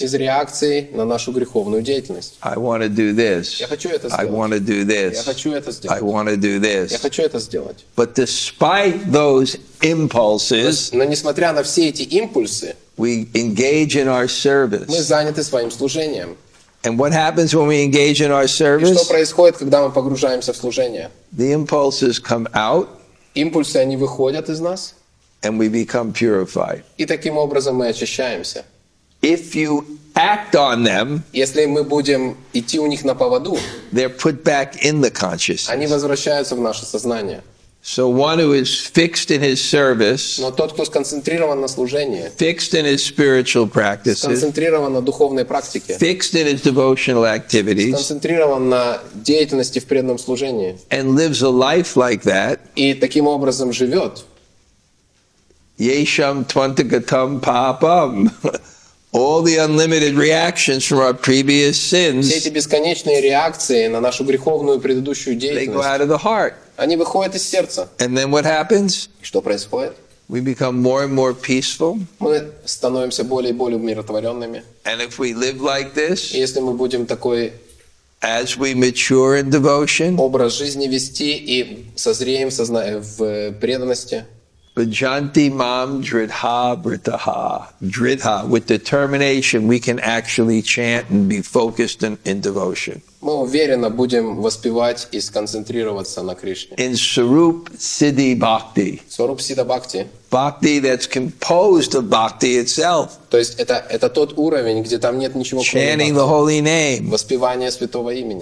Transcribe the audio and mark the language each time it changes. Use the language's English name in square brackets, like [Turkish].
[Russian] Из реакции на нашу греховную деятельность. [English] I want to do this. [Russian] Я хочу это сделать. [English] I want to do this. [Russian] Я хочу это сделать. [English] I want to do this. [Russian] Я хочу это сделать. [English] But despite those impulses, [Russian] но несмотря на все эти импульсы, [English] we engage in our service. [Russian] Мы заняты своим служением. [English] And what happens when we engage in our service? [Russian] И что происходит, когда мы погружаемся в служение? [English] The impulses come out. [Russian] Импульсы, они выходят из нас. [English] And we become purified. [Russian] И таким образом мы очищаемся. [English] If you act on them, [Russian] если мы будем идти у них на поводу, [English] they're put back in the consciousness. [Russian] Они возвращаются в наше сознание. [English] So one who is fixed in his service, [Russian] но тот, кто сконцентрирован на служении, [English] fixed in his spiritual practices, [Russian] сконцентрирован на духовной практике, [English] fixed in his devotional activities, [Russian] сконцентрирован на деятельности в преданном служении, [English] and lives a life like that, [Russian] и таким образом живет, [Sanskrit] yesham twantagatam papam. [English] All the unlimited reactions from our previous sins, [Russian] все эти бесконечные реакции на нашу греховную предыдущую деятельность, [English] they go out of the heart. [Russian] Они выходят из сердца. [English] And then what happens? [Russian] И что происходит? [English] We become more and more peaceful. [Russian] Мы становимся более и более умиротворенными. [English] And if we live like this, [Russian] если мы будем такой, [English] as we mature in devotion, [Russian] образ жизни вести и созреем в преданности. [Sanskrit] Vajanti mam dridha vritaha. Dridha. [English] With determination, we can actually chant and be focused in devotion. [Russian] Мы уверенно будем воспевать и сконцентрироваться на Кришне. [English] In Swarup Siddhi Bhakti. Swarup Siddha Bhakti. Bhakti that's composed of bhakti itself. [Russian] То есть это тот уровень, где там нет ничего кроме [English] bhakti. Chanting the holy name. [Russian] Воспевание святого имени.